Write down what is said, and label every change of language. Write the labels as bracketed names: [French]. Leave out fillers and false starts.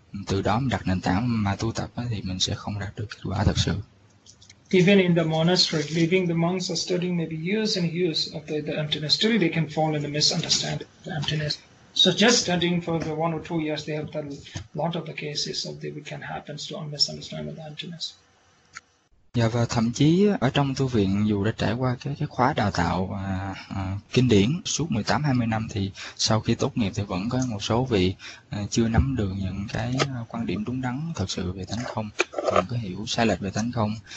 [Vietnamese] Từ đó mình đặt nền tảng mà tu tập thì mình sẽ không đạt được kết quả thật sự. [English] Even in the monastery, leaving the monks are studying maybe years and years of the emptiness. Still, they can fall in the misunderstanding of the emptiness. So just studying for the 1 or 2 years, they have done a lot of the cases of the weekend happens to misunderstand the emptiness. [Vietnamese] Yeah, và thậm chí ở trong tu viện dù đã trải qua cái khóa đào tạo kinh điển suốt 18-20 năm thì sau khi tốt nghiệp thì vẫn có một số vị chưa nắm được những cái quan điểm đúng đắn thật sự về thánh không, vẫn có hiểu sai lệch về thánh không.